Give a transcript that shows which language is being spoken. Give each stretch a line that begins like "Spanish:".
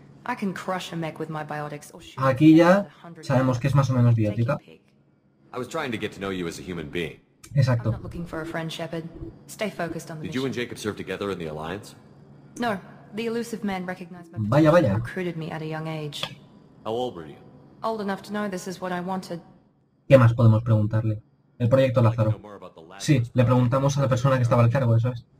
English: I can crush a mech with my biotics or shoot.
Spanish: Aquí ya sabemos que es más o menos biótica.
English: I was trying to get to know you as a human being.
Spanish: Exacto.
English: I'm not looking for a friend, Shepard. Stay focused on the Did you and Jacob serve together in the Alliance? No. The elusive man recognized my
Spanish: Vaya, vaya.
English: Recruited me at a young age. How old were you? Old enough to know this is what I wanted.
Spanish: ¿Qué más podemos preguntarle? El proyecto Lázaro. Sí, le preguntamos a la persona que estaba al cargo, eso es.